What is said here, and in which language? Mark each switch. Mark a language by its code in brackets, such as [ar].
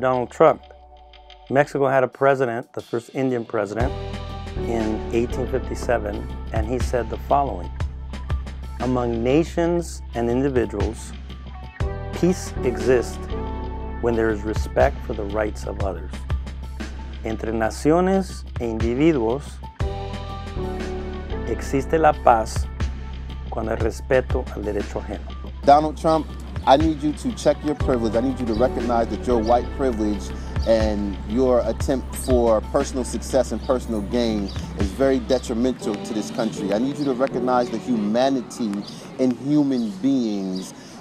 [en] Donald Trump, Mexico had a president, the first Indian president, in 1857, and he said the following. Among nations and individuals, peace exists when there is respect for the rights of others. [es] Entre naciones e individuos, existe la paz cuando hay respeto al derecho ajeno. [en] Donald Trump, I need you to check your privilege. I need you to recognize that your white privilege and your attempt for personal success and personal gain is very detrimental to this country. I need you to recognize the humanity in human beings.